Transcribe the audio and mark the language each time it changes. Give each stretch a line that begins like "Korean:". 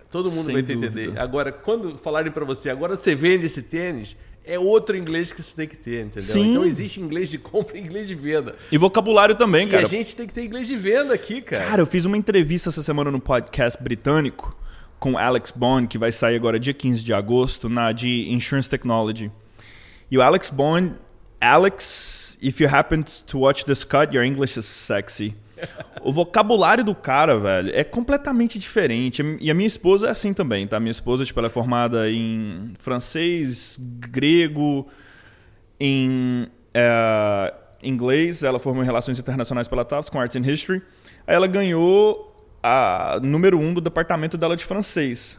Portuguese: Todo mundo vai entender. Agora, quando falarem para você, agora você vende esse tênis, é outro inglês que você tem que ter, entendeu? Sim. Então existe inglês de compra e inglês de venda. E vocabulário também, cara. E a gente tem que ter inglês de venda aqui, cara. Cara, eu fiz uma entrevista essa semana no podcast britânico, com Alex Bond, que vai sair agora dia 15 de agosto, na de Insurance Technology. E o
English: Alex Bond, Alex, if you happen to watch this cut, your English is sexy.
Portuguese: O vocabulário do cara, velho, é completamente diferente. E a minha esposa é assim também, tá? Minha esposa, tipo, ela é formada em francês, grego, em inglês. Ela formou em Relações Internacionais pela Tufts, com Arts and History. Aí ela ganhou a número 1 do departamento dela de francês.